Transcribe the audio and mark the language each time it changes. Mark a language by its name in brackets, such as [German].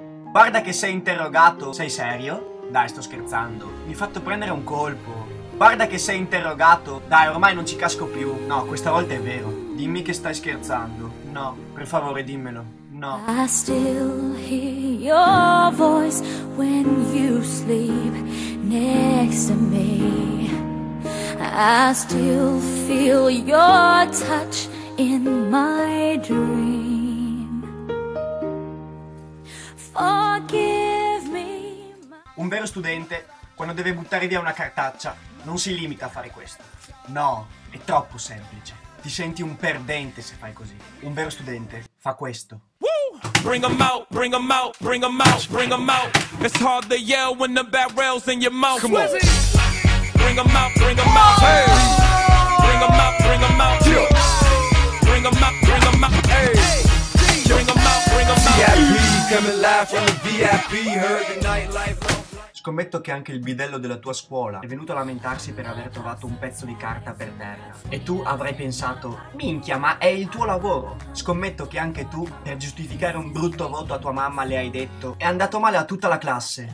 [Italian] Guarda che sei interrogato. Sei serio? Dai, sto scherzando. Mi hai fatto prendere un colpo. Guarda che sei interrogato. Dai, ormai non ci casco più. No, questa volta è vero. Dimmi che stai scherzando. No, per favore dimmelo. No. [English] I still hear your voice when you sleep next to me. I still feel your touch in my dream. Forgive me. [Italian] Un vero studente, quando deve buttare via una cartaccia, non si limita a fare questo. No, è troppo semplice. Ti senti un perdente se fai così. Un vero studente fa questo. [English] Bring 'em out, bring 'em out, bring 'em out, bring 'em out. It's hard to yell when the barrel's in your mouth. Come on. Bring 'em out, bring 'em out. Hey. Bring 'em out, bring 'em out. Yeah. Bring 'em out, bring 'em out. Hey. Bring 'em out, bring 'em out. VIP coming live from the VIP. Heard the nightlife. [Italian] Scommetto che anche il bidello della tua scuola è venuto a lamentarsi per aver trovato un pezzo di carta per terra. E tu avrai pensato: minchia, ma è il tuo lavoro. Scommetto che anche tu, per giustificare un brutto voto a tua mamma, le hai detto: è andato male a tutta la classe.